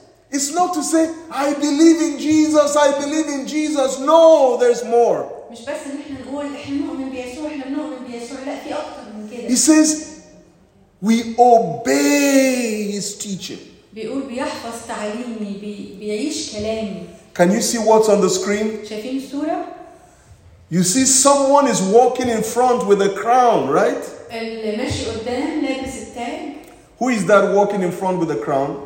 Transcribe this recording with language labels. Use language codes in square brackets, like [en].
[en] It's not to say I believe in Jesus. I believe in Jesus. No, there's more. [ar] مش بس إن إحنا نقول إحنا نؤمن بيسوع إحنا نؤمن بيسوع لا في أكتر من كده. [en] He says we obey his teaching. [ar] بيقول بيحفظ تعاليمي بيعيش كلامي. [en] Can you see what's on the screen? [ar] شايفين الصورة؟ [en] You see someone is walking in front with a crown, right? [ar] اللي ماشي قدام لابس التاج. [en] Who is that walking in front with a crown?